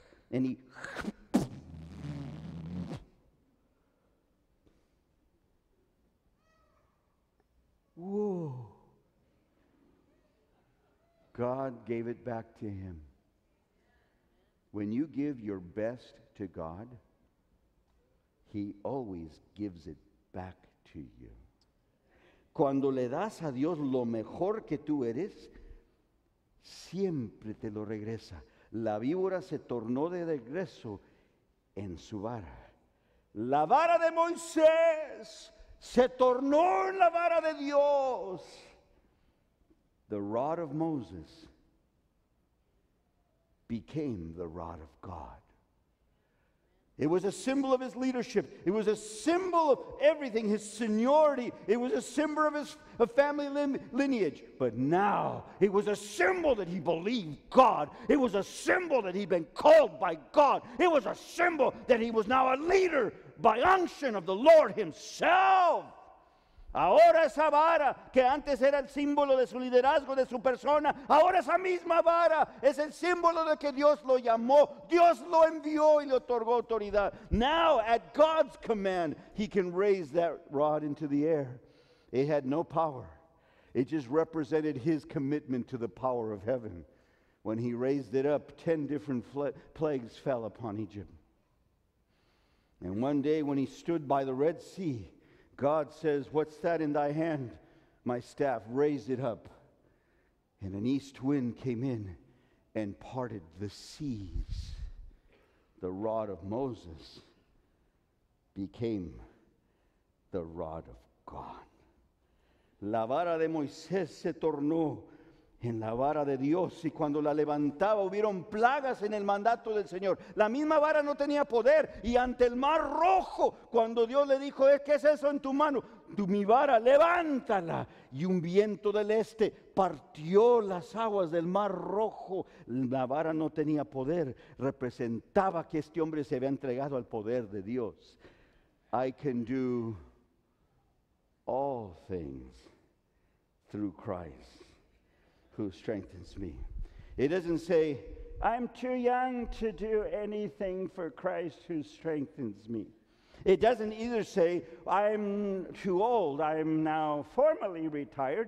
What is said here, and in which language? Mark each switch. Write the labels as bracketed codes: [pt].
[en] And he whoa. God gave it back to him. When you give your best to God, He always gives it back to you. [es] Cuando le das a Dios lo mejor que tú eres, siempre te lo regresa. La víbora se tornó de regreso en su vara. La vara de Moisés se tornó en la vara de Dios. [en] The rod of Moses became the rod of God. It was a symbol of his leadership. It was a symbol of everything, his seniority. It was a symbol of his of family lineage. But now, it was a symbol that he believed God. It was a symbol that he'd been called by God. It was a symbol that he was now a leader by unction of the Lord himself. [es] Ahora esa vara, que antes era el símbolo de su liderazgo, de su persona, ahora esa misma vara es el símbolo de que Dios lo llamó, Dios lo envió y le otorgó autoridad. [en] Now, at God's command, he can raise that rod into the air. It had no power. It just represented his commitment to the power of heaven. When he raised it up, 10 different plagues fell upon Egypt. And one day when he stood by the Red Sea, God says, what's that in thy hand? My staff, raise it up. And an east wind came in and parted the seas. The rod of Moses became the rod of God. [es] La vara de Moisés se tornó en la vara de Dios, y cuando la levantaba hubieron plagas en el mandato del Señor. La misma vara no tenía poder, y ante el mar rojo, cuando Dios le dijo, ¿qué es eso en tu mano? Tú, mi vara, levántala. Y un viento del este partió las aguas del mar rojo. La vara no tenía poder, representaba que este hombre se había entregado al poder de Dios. [en] I can do all things through Christ who strengthens me. It doesn't say, I'm too young to do anything for Christ who strengthens me. It doesn't either say, I'm too old, I'm now formally retired.